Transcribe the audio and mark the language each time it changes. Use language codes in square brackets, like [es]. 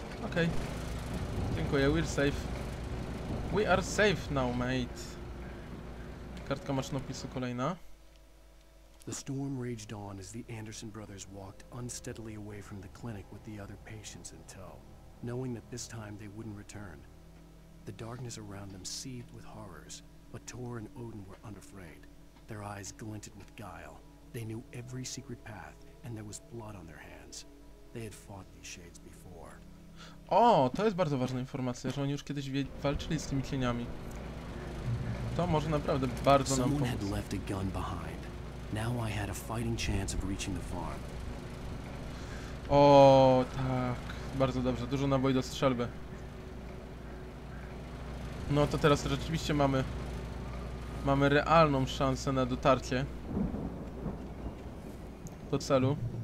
[pl] Okej. Dziękuję, [en] we're safe. We are safe now, mate. [pl] Kartka mocznopisu kolejna. [en] The storm raged on as the Anderson brothers walked unsteadily away from the clinic with the other patients in tow, knowing that this time they wouldn't return. The darkness around them seethed with horrors, but Tor and Odin were unafraid. Their eyes glinted with guile. They knew every secret path, and there was blood on their hands. They had fought these shades before. [pl] O, to jest bardzo ważna informacja, że oni już kiedyś walczyli z tymi cieniami. To może naprawdę bardzo nam pomóc. [en] Had left a gun behind. Now I had a fighting chance of reaching the farm. [pl] O, tak, bardzo dobrze, dużo naboi do strzelby. No to teraz rzeczywiście mamy realną szansę na dotarcie do celu.